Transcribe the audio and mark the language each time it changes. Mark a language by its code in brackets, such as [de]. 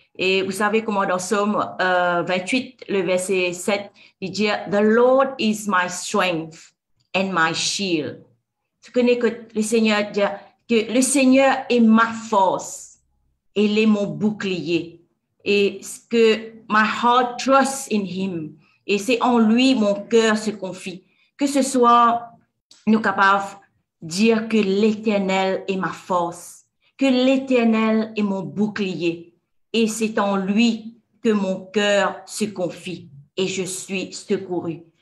[fr] Et vous savez comment dans Psaume 28, le verset 7, il dit: [en] The Lord is my strength and my shield. [fr] Tu connais que le Seigneur dit que le Seigneur est ma force, il est mon bouclier. Et que [en] my heart trusts in him. [fr] Et c'est en lui mon cœur se confie. Que ce soit nous capables de dire que l'Éternel est ma force. Que l'Éternel est mon bouclier et c'est en lui que mon cœur se confie et je suis secouru.